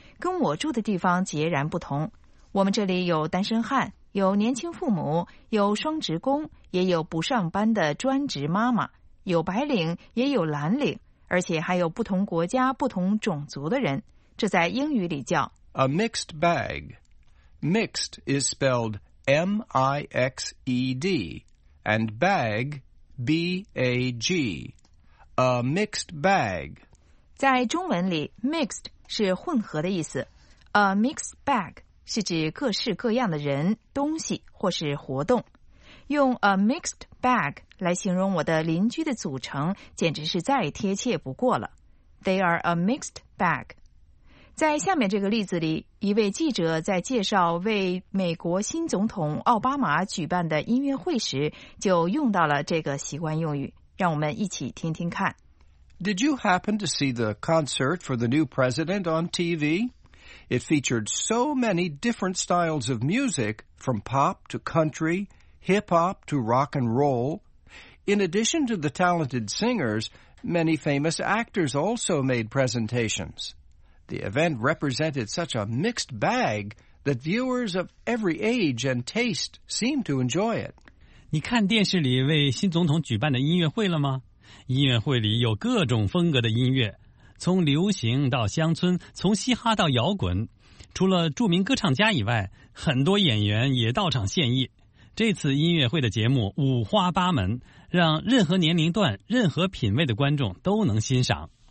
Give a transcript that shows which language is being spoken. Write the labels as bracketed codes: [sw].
[zh] 跟我住的地方截然不同。我们这里有单身汉，有年轻父母，有双职工，也有不上班的专职妈妈，有白领，也有蓝领，而且还有不同国家、不同种族的人。这在英语里叫 [en] A mixed bag. Mixed is spelled M-I-X-E-D and bag, B-A-G. A mixed bag. [zh] 在中文里 ,mixed,是混合的意思 A mixed bag 是指各式各样的人、东西或是活动用 a mixed bag 来形容我的邻居的组成简直是再贴切不过了 [en] They are a mixed bag [zh] 在下面这个例子里一位记者在介绍为美国新总统奥巴马举办的音乐会时就用到了这个习惯用语让我们一起听听看 [en] Did you happen to see the concert for the new president on TV? It featured so many different styles of music, from pop to country, hip-hop to rock and roll. In addition to the talented singers, many famous actors also made presentations. The event represented such a mixed bag that viewers of every age and taste seemed to enjoy it. [zh] 你看电视里为新总统举办的音乐会了吗？音乐会里有各种风格的音乐，从流行到乡村，从嘻哈到摇滚。除了著名歌唱家以外，很多演员也到场献艺。这次音乐会的节目五花八门，让任何年龄段、任何品味的观众都能欣赏。